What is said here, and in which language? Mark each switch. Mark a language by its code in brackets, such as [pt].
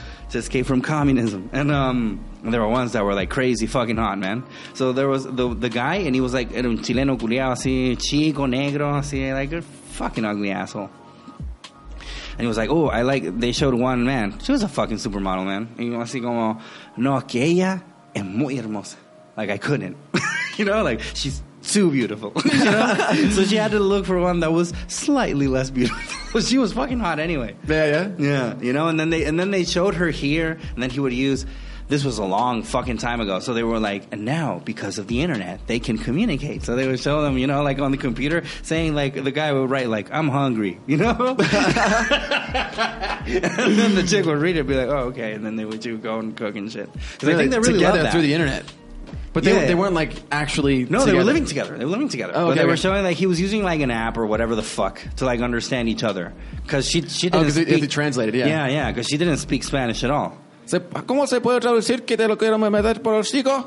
[en] To escape from communism. And there were ones that were like crazy fucking hot, man. So there was the guy, and he was like, [es] era un chileno culiao, así, chico, negro, así, [en] like a fucking ugly asshole. And he was like, oh, I like, they showed one man. She was a fucking supermodel, man. [es] Y yo así como, no, que ella es muy hermosa. [en] Like, I couldn't. You know, like, she's too beautiful. You know? So she had to look for one that was slightly less beautiful. Well, she was fucking hot anyway. Yeah. Yeah. You know, and then they showed her here, and then he would use, this was a long fucking time ago. So they were like, and now, because of the internet, they can communicate. So they would show them, you know, like on the computer, saying like, the guy would write like, I'm hungry, you know? And then the chick would read it, be like, oh, okay. And then they would do go and cook and shit. Really? I think they really together loved that. Through the internet. But they weren't like actually. together. They were living together. They were living together. Oh, okay. But they were showing like he was using like an app or whatever the fuck to like understand each other because she didn't. Oh, because it translated. Yeah, yeah, yeah. Because she didn't speak Spanish at all. [es] ¿Cómo se puede traducir que te lo quiero meter por el chico?